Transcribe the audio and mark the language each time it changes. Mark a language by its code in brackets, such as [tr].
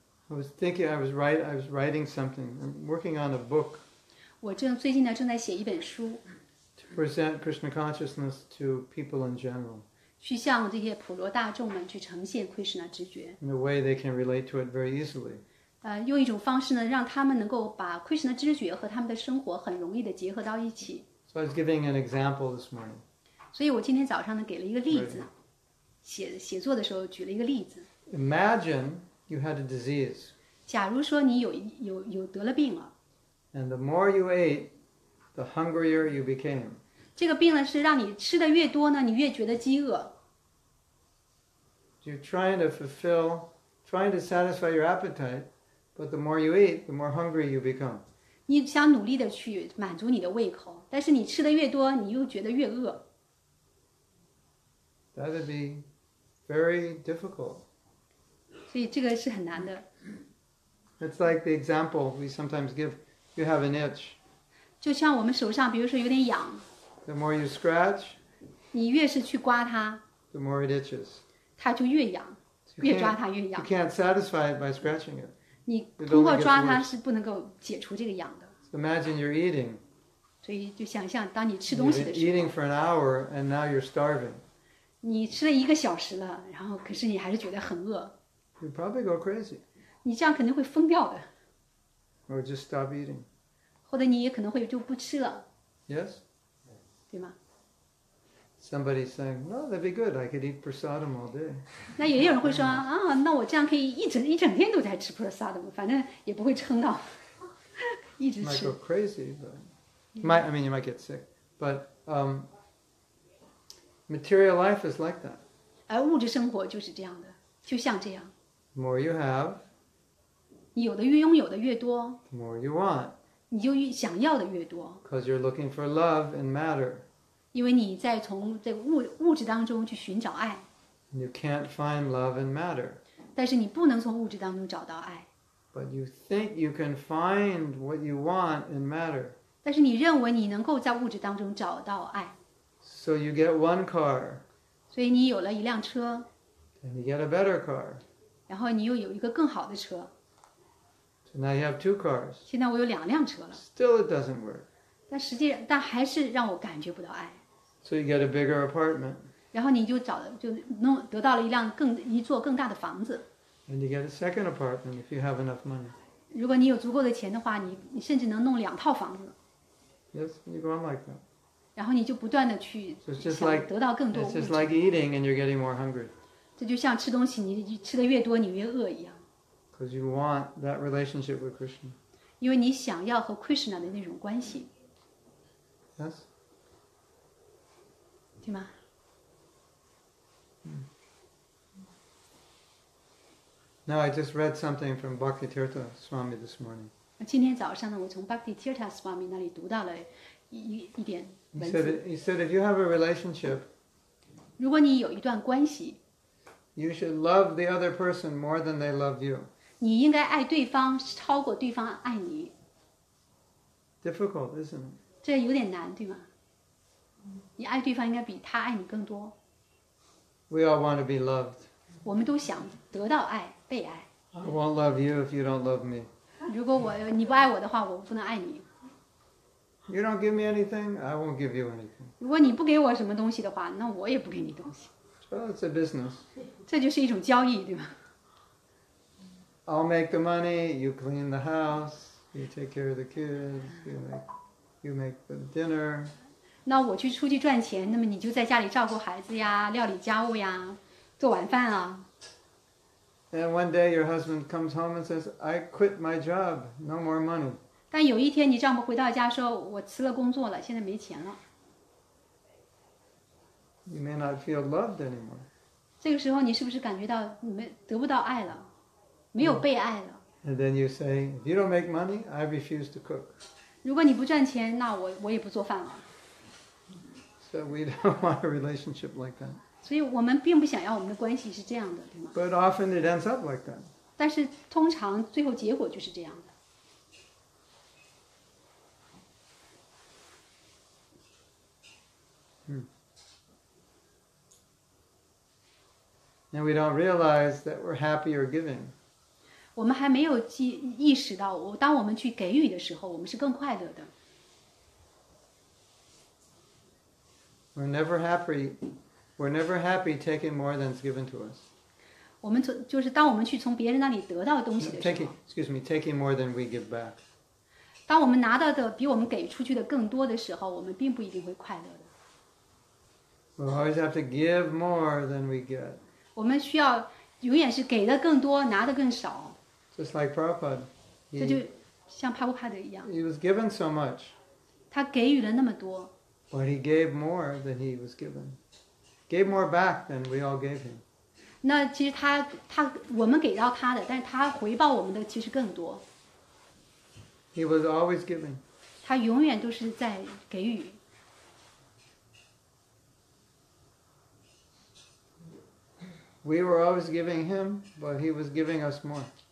[en] I was thinking, I was writing something. I'm working on a book. [zh] 我正最近呢正在写一本书。 [en] To present Krishna consciousness to people in general. [zh] 去向这些普罗大众们去呈现 Krishna 直觉。 [en] In a way they can relate to it very easily. [zh] 用一种方式呢让他们能够把 Krishna 直觉和他们的生活很容易的结合到一起。 [en] So I was giving an example this morning. [zh] 所以我今天早上呢给了一个例子。写作的时候举了一个例子。 [en] Imagine. You had a disease. [zh] 假如说你有得了病了。 [en] And the more you ate, the hungrier you became. [zh] 这个病呢是让你吃的越多呢，你越觉得饥饿。 [en] You're trying to satisfy your appetite, but the more you eat, the more hungry you become. [zh] 你想努力的去满足你的胃口，但是你吃的越多，你又觉得越饿。 [en] That would be very difficult. [zh] 所以这个是很难的。 [en] It's like the example we sometimes give. You have an itch. [zh] 就像我们手上，比如说有点痒。 [en] The more you scratch. [zh] 你越是去刮它。 [en] The more it itches. [zh] 它就越痒，越抓它越痒。 [en] You can't satisfy it by scratching it. [zh] 你通过抓它是不能够解除这个痒的。 [en] So imagine you're eating. [zh] 所以就想象当你吃东西的时候。 [en] You're eating for an hour and now you're starving. [zh] 你吃了一个小时了，然后可是你还是觉得很饿。 [en] You probably go crazy. [zh] 你这样肯定会疯掉的。 [en] Or just stop eating. [zh] 或者你也可能会就不吃了。 [en] Yes. [zh] 对吗 [en] ？Somebody saying, "No, that'd be good. I could eat prasadam all day." [zh] 那也有人会说啊，那我这样可以一整天都在吃 prasadam， 反正也不会撑到，一直吃。 [en] Might go crazy, but might. I mean, you might get sick. But material life is like that. [zh] 而物质生活就是这样的，就像这样。 [en] The more you have, [zh] 你有的越拥有的越多 [en] the more you want, [zh] 你就越想要的越多 [en] because you're looking for love and matter. [zh] 因为你在从这个物质当中去寻找爱 [en] and you can't find love and matter. [zh] 但是你不能从物质当中找到爱 [en] but you think you can find what you want and matter. [zh] 但是你认为你能够在物质当中找到爱 [en] so you get one car. [zh] 所以你有了一辆车 [en] and you get a better car. [zh] 然后你又有一个更好的车。 [en] So now you have two cars. [zh] 现在我有两辆车了。 [en] Still it doesn't work. [zh] 但还是让我感觉不到爱。 [en] So you get a bigger apartment. [zh] 然后你就得到了一座更大的房子。 [en] And you get a second apartment if you have enough money. [zh] 如果你有足够的钱的话，你甚至能弄两套房子。 [en] Yes, you go on like that. [zh] 然后你就不断的去想得到更多物质。 [en] It's just like eating and you're getting more hungry. [zh] 这就像吃东西，你吃的越多，你越饿一样。 [en] Because you want that relationship with Krishna. [zh] 因为你想要和 Krishna 的那种关系。 [en] Yes. [zh] 对吗？ [en] Now I just read something from Bhakti Tirtha Swami this morning. [zh] 今天早上呢，我从 Bhakti Tirtha Swami 那里读到了一点文字。 [en] He said, if you have a relationship, [zh] 如果你有一段关系 [en] ，you should love the other person more than they love you. [zh] 你应该爱对方超过对方爱你。 [en] Difficult, isn't it? [zh] 这有点难，对吗？你爱对方应该比他爱你更多。 [en] We all want to be loved. [zh] 我们都想得到爱，被爱。 [en] I won't love you if you don't love me. [zh] 如果我你不爱我的话，我不能爱你。 [en] You don't give me anything, I won't give you anything. [zh] 如果你不给我什么东西的话，那我也不给你东西。 [en] Well, it's a business. [zh] 这就是一种交易，对吗 [en] ？I'll make the money. You clean the house. You take care of the kids. You make the dinner. [zh] 那我去出去赚钱，那么你就在家里照顾孩子呀，料理家务呀，做晚饭啊。 [en] And one day your husband comes home and says, I quit my job, no more money. [zh] 但有一天你丈夫回到家说我辞了工作了现在没钱了。 [en] You may not feel loved anymore. [zh] 这个时候你是不是感觉到你们得不到爱了没有被爱了 [en] And then you say, if you don't make money, I refuse to cook. [zh] 如果你不赚钱那我也不做饭了。 [en] So we don't want a relationship like that. [zh] 所以我们并不想要我们的关系是这样的，对吗 [en] ？But often it ends up like that. [zh] 但是通常最后结果就是这样的。嗯。 [en] And we don't realize that we're happier giving. [zh] 我们还没有意识到，当我们去给予的时候，我们是更快乐的。 [en] We're never happy taking more than's given to us. [zh] 我们从就是当我们去从别人那里得到东西的时候 [en] taking more than we give back. [zh] 当我们拿到的比我们给出去的更多的时候，我们并不一定会快乐的。 [en] We always have to give more than we get. [zh] 我们需要永远是给的更多，拿的更少。 [en] Just like Prabhupada. [zh] 这就像帕布帕德一样。 [en] He was given so much. [zh] 他给予了那么多。 [en] But he gave more than he was given. Gave more back than we all gave him. [zh] 那其实他我们给到他的，但是他回报我们的其实更多。 [en] He was always giving. [zh] 他永远都是在给予。 [en] We were always giving him, but he was giving us more.